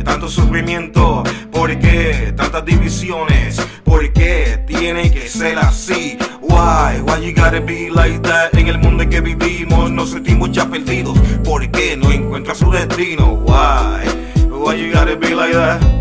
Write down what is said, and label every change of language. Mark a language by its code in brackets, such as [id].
[es] Sufrimiento, ¿por qué tantas divisiones? ¿Por qué tiene que ser así? [en] Why you gotta be like that? [es] En el mundo en que vivimos nos sentimos ya perdidos. ¿Por qué no encuentras su destino? [en] Why you gotta be like that?